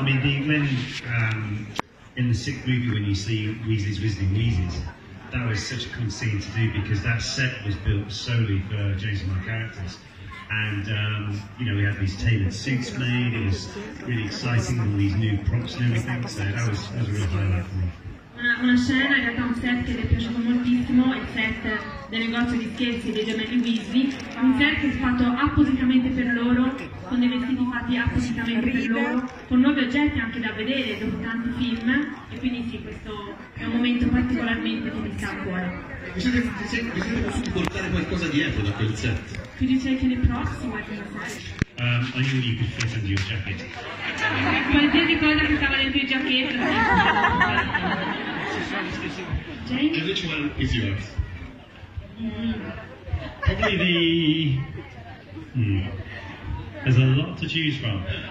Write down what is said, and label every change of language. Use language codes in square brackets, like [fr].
[en] I mean, in the sick movie when you see Weasley's visiting Weasley's, that was such a cool scene to do because that set was built solely for James and my characters. And you know, we had these tailored suits made. It was really exciting, all these new props and everything. So that was a real highlight for me. [it] Una scena, in realtà un set che mi è piaciuto moltissimo, il set del negozio di scherzi dei gemelli Weasley, un set che è fatto appositamente per loro, con dei vestiti fatti appositamente per loro, con nuovi oggetti anche da vedere dopo tanti film, e quindi sì, questo è un momento particolarmente che mi sta a cuore. Bisogna subito portare qualcosa dietro da quel set. [en] Could you take any props in the set? I knew you could fit under your jacket. [it] Qualsiasi cosa che stava dentro il giacchetto. [en] James? And which one is yours? Probably the... There's a lot to choose from.